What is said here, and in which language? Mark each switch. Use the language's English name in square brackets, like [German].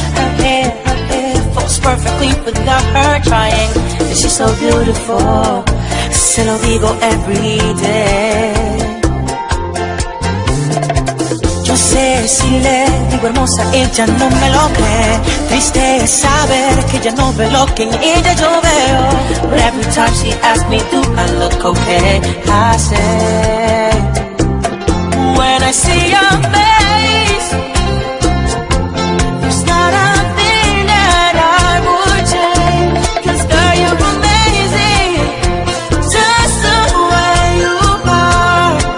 [English] Her hair falls perfectly without her trying. And she's so beautiful, [Spanish] se lo digo [English] every day. [Spanish] No sé si le digo hermosa, ella no me lo cree. Triste es saber que ella no ve lo que en ella yo veo. [English] But every time she asks me, do I look okay? I say, when I see your face, there's not a thing that I would change. Cause girl, you're amazing, just the way you are.